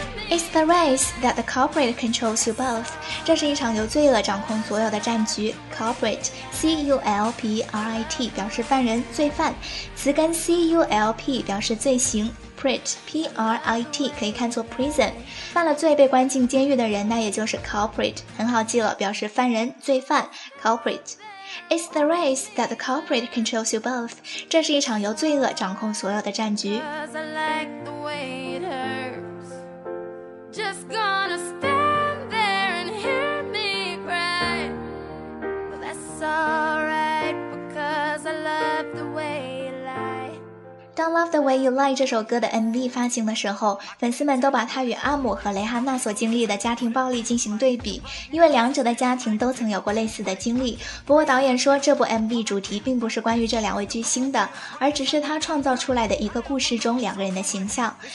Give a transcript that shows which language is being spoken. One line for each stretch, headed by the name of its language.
English: It's the race that the corporate controls you both.
Chinese: 这是一场由罪恶掌控所有的战局。Corporate, C-U-L-P-R-I-T 表示犯人、罪犯，词根 C-U-L-P 表示罪行。
English: Prit, P-R-I-T
Chinese: 可以看作
English: prison
Chinese: 犯了罪被关进监狱的人那也就是
English: culprit
Chinese: 很好记了表示犯人罪犯
English: culprit It's the race that the culprit controls you both
Chinese: 这是一场由罪恶掌控所有的战局
English: Cause I like the way it hurts Just gonna stand there and hear me cry Well that's alright Because I love the way you lie Don't love the
Chinese: The Way You Lie 这首歌的 MV 发行的时候，粉丝们都把他与阿姆和雷哈娜所经历的家庭暴力进行对比，因为两者的家庭都曾有过类似的经历。不过导演说，这部 MV 主题并不是关于这两位巨星的，而只是他创造出来的一个故事中两个人的形象。